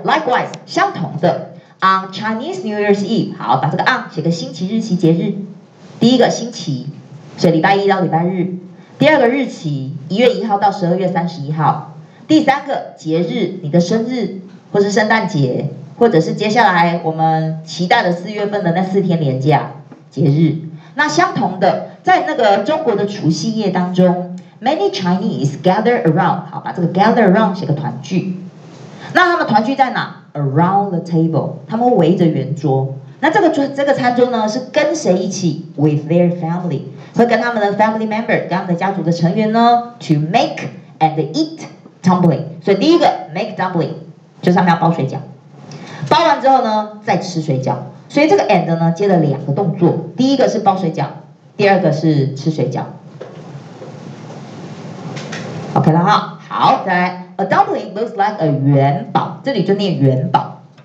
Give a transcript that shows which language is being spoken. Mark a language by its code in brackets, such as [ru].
[zh] Likewise 相同的 [en] On Chinese New Year's Eve， [zh] 好，把这个 on 写个星期日期节日，第一个星期，所以礼拜一到礼拜日，第二个日期1月1号到12月31号，第三个节日，你的生日或是圣诞节，或者是接下来我们期待的四月份的那四天连假节日。那相同的，在那个中国的除夕夜当中， [en] Many Chinese gather around， [zh] 好，把这个 gather around 写个团聚。那他们团聚在哪？ [en] Around the table， [zh] 他们围着圆桌。那这个餐桌呢，是跟谁一起？ [en] With their family， [zh] 会跟他们的 family member， 跟他们的家族的成员呢， [en] to make and eat dumpling。 [zh] 所以第一个 make dumpling 就是他们要包水饺，包完之后呢再吃水饺。所以这个 and 呢接了两个动作，第一个是包水饺，第二个是吃水饺。 OK 了哈。好，再来 [en] A dumpling looks like a [zh] 元宝，这里就念元宝。